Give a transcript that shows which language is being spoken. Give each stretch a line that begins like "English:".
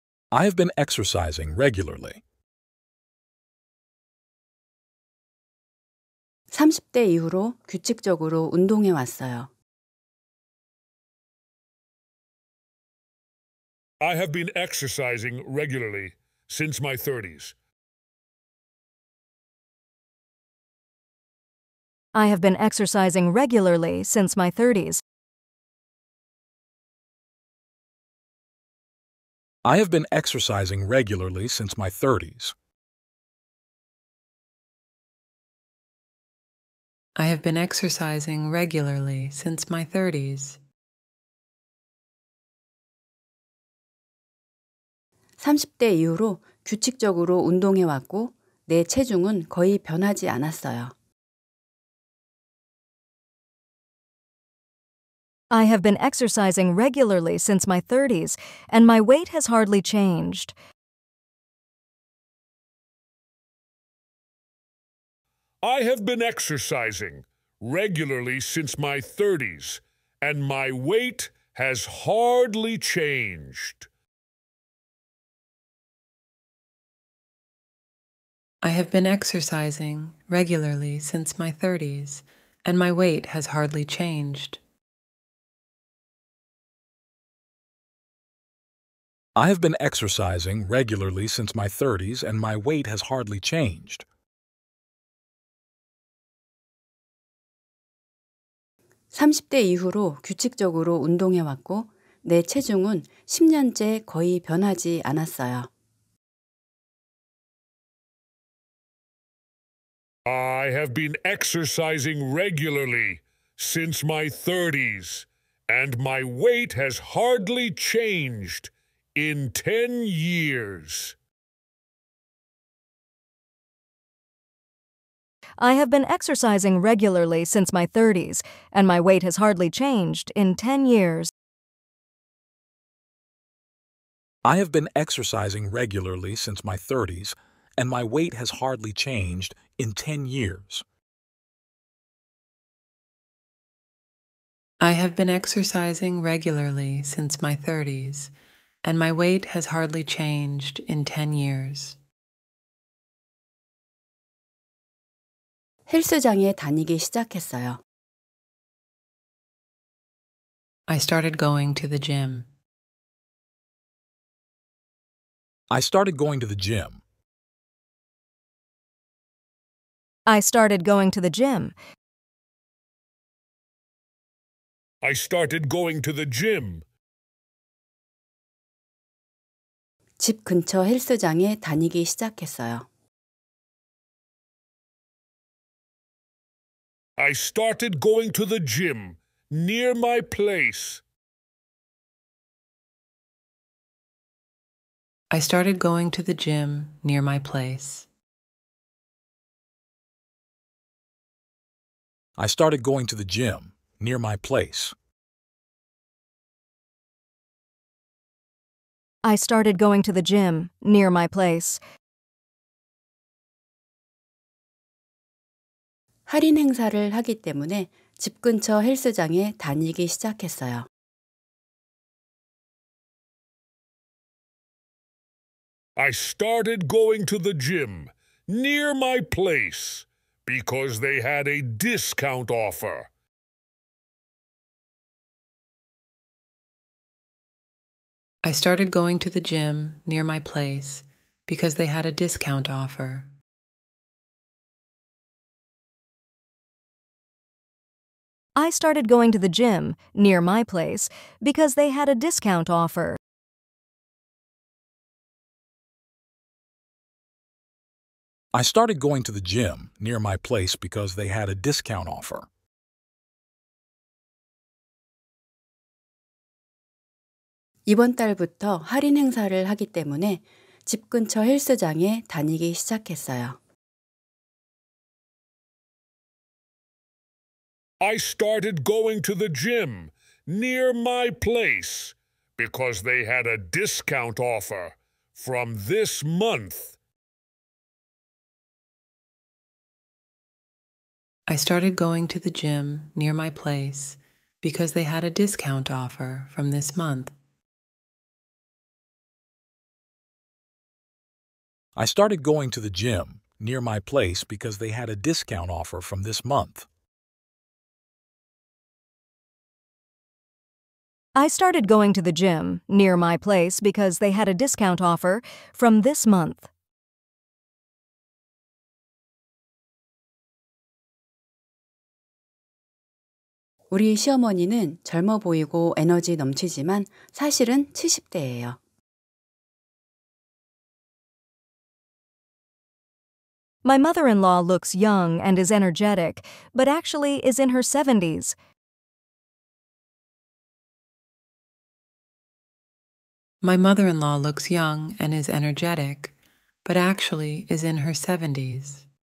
English: I have been exercising regularly.
Korean: 30대 이후로 규칙적으로 운동해 왔어요.
English: I have been exercising regularly since my 30s. I have been exercising regularly since my 30s. I have been exercising regularly since my 30s. I have been exercising regularly since my 30s.
Korean: 30대 이후로 규칙적으로 운동해 왔고 내 체중은 거의 변하지 않았어요.
English: I have been exercising regularly since my 30s and my weight has hardly changed. I have been exercising regularly since my 30s and my weight has hardly changed. I have been exercising regularly since my 30s and my weight has hardly changed. I have been exercising regularly since my 30s and my weight has hardly changed.
Korean: 30대 이후로 규칙적으로 운동해 왔고 내 체중은 10년째 거의 변하지 않았어요.
English: I have been exercising regularly since my 30s and my weight has hardly changed in 10 years. I have been exercising regularly since my 30s, and my weight has hardly changed in 10 years. I have been exercising regularly since my 30s, and my weight has hardly changed in 10 years. I have been exercising regularly since my 30s, and my weight has hardly changed in 10 years.
Korean: 헬스장에 다니기 시작했어요.
English: I started going to the gym. I started going to the gym. I started going to the gym. I started going to the gym.
Korean: 집 근처 헬스장에 다니기 시작했어요.
English: I started going to the gym near my place. I started going to the gym near my place. I started going to the gym near my place. I started going to the gym near my place.
Korean: 할인 행사를 하기 때문에 집 근처 헬스장에 다니기 시작했어요.
English: I started going to the gym near my place because they had a discount offer. I started going to the gym near my place because they had a discount offer. I started going to the gym near my place because they had a discount offer. I started going to the gym near my place because they had a discount offer. I started going to the gym near my place because they had a discount offer.
Korean: 이번 달부터 할인 행사를 하기 때문에 집 근처 헬스장에 다니기 시작했어요.
English: I started going to the gym near my place because they had a discount offer from this month. I started going to the gym near my place because they had a discount offer from this month. I started going to the gym near my place because they had a discount offer from this month. I started going to the gym near my place because they had a discount offer from this month. Our
Korean: 시어머니는 젊어 보이고 에너지 넘치지만 사실은 70대예요.
English: My mother-in-law looks young and is energetic, but actually is in her 70s. My mother-in-law looks young and is energetic, but actually is in her 70s.